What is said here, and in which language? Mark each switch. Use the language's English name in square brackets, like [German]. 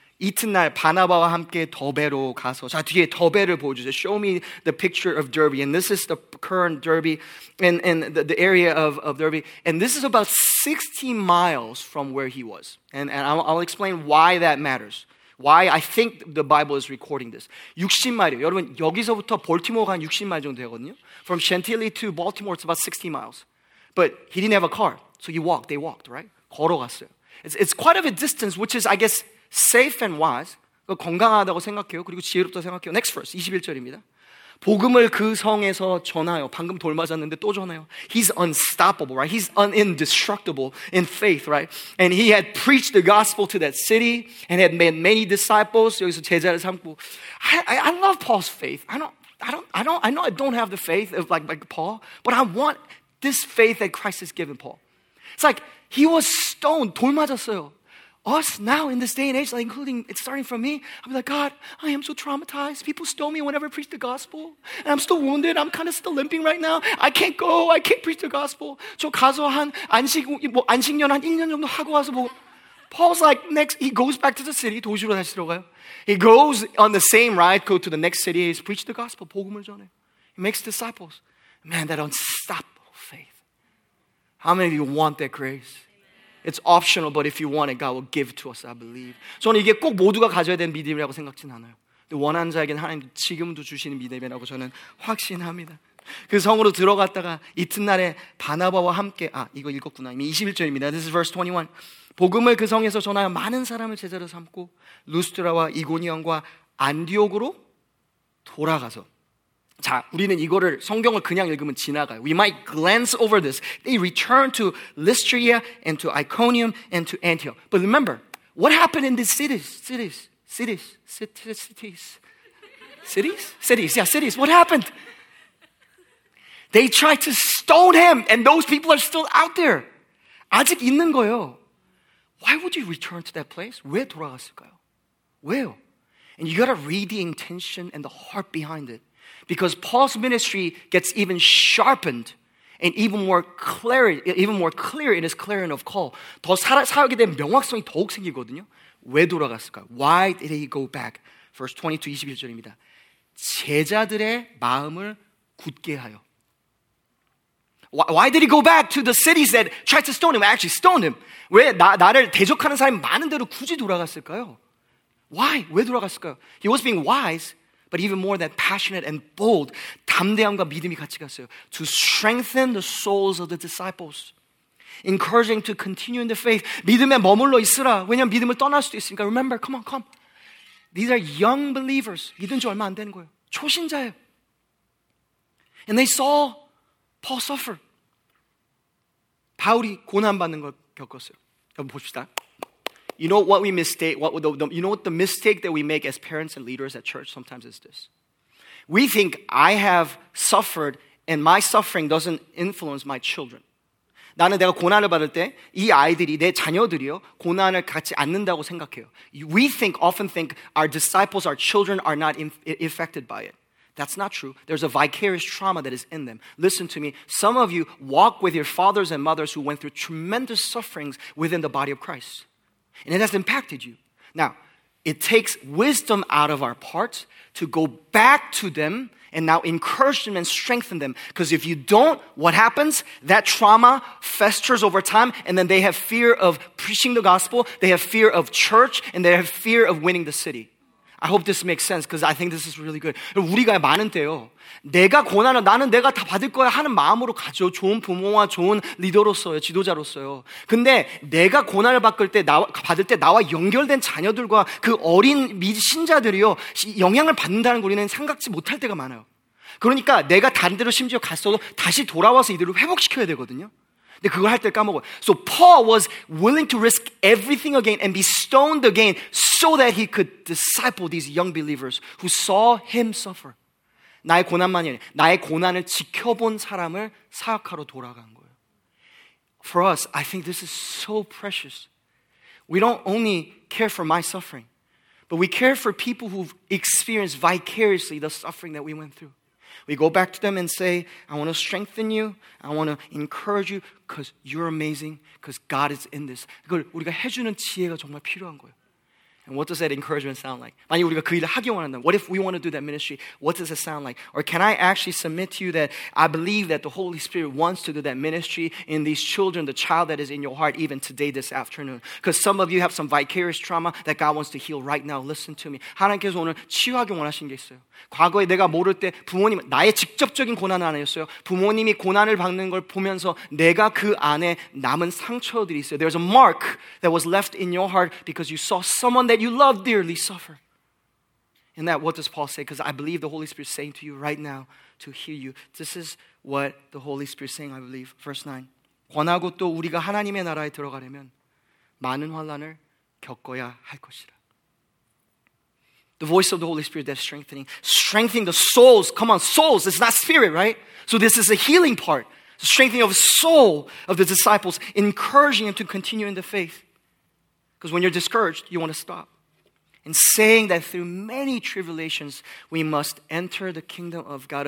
[Korean] 이튿날 바나바와 함께 더베로 가서, 자 뒤에 더베를 보여주세요. [English] Show me the picture of Derby. And this is the current Derby and the area of Derby. And this is about 60 miles from where he was. And I'll explain why that matters. Why I think the Bible is recording this. [Korean] 60마일이에요. 여러분 여기서부터 볼티모어가 한 60마일 정도 되거든요. [English] From Chantilly to Baltimore, it's about 60 miles. But he didn't have a car. So he walked. They walked, right? [Korean] 걸어갔어요. [English] It's quite of a distance, which is, I guess, safe and wise, [Korean] 건강하다고 생각해요. 그리고 지혜롭다고 생각해요. [English] Next verse, [Korean] 21절입니다. 복음을 그 성에서 전하여. 방금 돌 맞았는데 또 전하여. [English] He's unstoppable, right? He's indestructible in faith, right? And he had preached the gospel to that city and had made many disciples. [Korean] 여기서 제자를 삼고. [English] I love Paul's faith. I know I don't have the faith of like Paul, but I want this faith that Christ has given Paul. It's like he was stoned, [Korean] 돌 맞았어요. [English] Us now in this day and age, like including it starting from me, I'm like, God, I am so traumatized. People stone me whenever I preach the gospel. And I'm still wounded. I'm kind of still limping right now. I can't go. I can't preach the gospel. [Korean] 저 가서 안식년 한 1년 정도 하고 와서 뭐. [English] Paul's like, next, he goes back to the city, [Korean] 도시로 다시 들어가요. [English] He goes on the same ride, go to the next city, he's preached the gospel, [Korean] 복음을 전해. [English] He makes disciples. Man, that unstoppable faith. How many of you want that grace? It's optional, but if you want it, God will give to us, I believe. [Korean] 저는 이게 꼭 모두가 가져야 되는 믿음이라고 생각진 않아요. 원하는 자에게는 하나님 지금도 주시는 믿음이라고 저는 확신합니다. 그 성으로 들어갔다가 이튿날에 바나바와 함께, 아, 이거 읽었구나. 이미 21절입니다. [English] This is verse 21. [Korean] 복음을 그 성에서 전하여 많은 사람을 제자로 삼고 루스트라와 이고니온과 안디옥으로 돌아가서. 자, 우리는 이거를 성경을 그냥 읽으면 지나가요. [English] We might glance over this. They returned to Lystra and to Iconium and to Antioch. But remember, what happened in these cities? What happened? They tried to stone him, and those people are still out there. [Korean] 아직 있는 거예요. [English] Why would you return to that place? [Korean] 왜 돌아갔을까요? 왜요? [English] And you got to read the intention and the heart behind it. Because Paul's ministry gets even sharpened and even more clear in his clarion of call. [Korean] 더 사역에 대한 명확성이 더욱 생기거든요. 왜 돌아갔을까? [English] Why did he go back? Verse 22, [Korean] 21절입니다. 제자들의 마음을 굳게 하여. [English] Why did he go back to the cities that tried to stone him? Actually stone him. [Korean] 왜 나를 대적하는 사람이 많은데도 굳이 돌아갔을까요? [English] Why? [Korean] 왜 돌아갔을까요? [English] He was being wise. but even more that passionate and bold, [Korean] 담대함과 믿음이 같이 갔어요. [English] To strengthen the souls of the disciples. Encouraging to continue in the faith. [Korean] 믿음에 머물러 있으라. 왜냐하면 믿음을 떠날 수도 있으니까. [English] Remember, come on, come. These are young believers. [Korean] 믿은 지 얼마 안 되는 거예요. 초신자예요. [English] And they saw Paul suffer. [Korean] 바울이 고난받는 걸 겪었어요. 한번 봅시다. [English] You know what we mistake, what the, you know what the mistake that we make as parents and leaders at church sometimes is this. We think I have suffered and my suffering doesn't influence my children. [Korean] 나는 내가 고난을 받을 때 이 아이들이, 내 자녀들이요, 고난을 갖지 않는다고 생각해요. [English] We think, often think, our disciples, our children are not affected by it. That's not true. There's a vicarious trauma that is in them. Listen to me. Some of you walk with your fathers and mothers who went through tremendous sufferings within the body of Christ. And it has impacted you. Now, it takes wisdom out of our part to go back to them and now encourage them and strengthen them. Because if you don't, what happens? That trauma festers over time, and then they have fear of preaching the gospel, they have fear of church, and they have fear of winning the city. I hope this makes sense because I think this is really good. [Korean] 우리가 많은데요. 내가 고난을, 나는 내가 다 받을 거야 하는 마음으로 가죠. 좋은 부모와 좋은 리더로서요. 지도자로서요. 근데 내가 고난을 받을 때, 나와 연결된 자녀들과 그 어린 신자들이요. 영향을 받는다는 걸 우리는 생각지 못할 때가 많아요. 그러니까 내가 다른 데로 심지어 갔어도 다시 돌아와서 이들을 회복시켜야 되거든요. 근데 그걸 할 때 까먹어. [English] So Paul was willing to risk everything again and be stoned again so that he could disciple these young believers who saw him suffer. [Korean] 나의 고난만이 아니라 나의 고난을 지켜본 사람을 사역하러 돌아간 거예요. [English] For us, I think this is so precious. We don't only care for my suffering, but we care for people who've experienced vicariously the suffering that we went through. We go back to them and say, I want to strengthen you. I want to encourage you because you're amazing, because God is in this. [Korean] 그걸 우리가 해주는 지혜가 정말 필요한 거예요. [English] And what does that encouragement sound like? [Korean] 만약 우리가 그 일을 하기 원한다면, [English] what if we want to do that ministry? What does it sound like? Or can I actually submit to you that I believe that the Holy Spirit wants to do that ministry in these children, the child that is in your heart, even today, this afternoon? Because some of you have some vicarious trauma that God wants to heal right now. Listen to me. [Korean] 하나님께서 오늘 치유하기 원하신 게 있어요. 과거에 내가 모를 때 부모님, 나의 직접적인 고난은 아니었어요. 부모님이 고난을 받는 걸 보면서 내가 그 안에 남은 상처들이 있어요. [English] There's a mark that was left in your heart because you saw someone that you love dearly suffer. And that, what does Paul say? Because I believe the Holy Spirit is saying to you right now to heal you. This is what the Holy Spirit is saying, I believe. Verse 9. [Korean] 권하고 또 우리가 하나님의 나라에 들어가려면 많은 환난을 겪어야 할 것이라. [English] The voice of the Holy Spirit that's strengthening. Strengthening the souls. Come on, souls. It's not spirit, right? So this is the healing part. The strengthening of the soul of the disciples. Encouraging them to continue in the faith. Because when you're discouraged, you want to stop. And saying that through many tribulations, we must enter the kingdom of God.